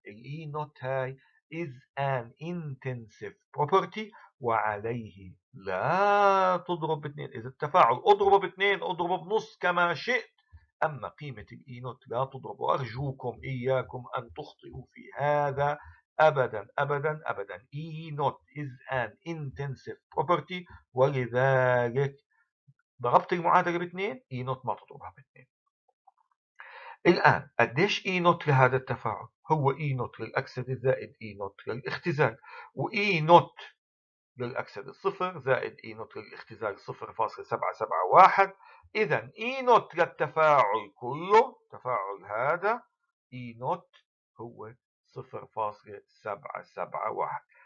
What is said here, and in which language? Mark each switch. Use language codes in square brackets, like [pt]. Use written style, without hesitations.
[ar] الـ E not هاي [en] is an intensive property [ar] وعليه لا تضرب باثنين. إذا التفاعل أضربه باثنين أضربه بنص كما شئت، أما قيمة الـ E not لا تضرب. أرجوكم إياكم أن تخطئوا في هذا أبدا أبدا أبدا. [en] E not is an intensive property [ar] ولذلك ضربت المعادلة باثنين E not ما تضربها باثنين. الآن قديش E نوت لهذا التفاعل؟ هو E نوت للأكسدة زائد E نوت للاختزال، و E نوت للأكسدة صفر زائد E نوت للاختزال 0.771. إذن E نوت للتفاعل كله، تفاعل هذا E نوت هو 0.771.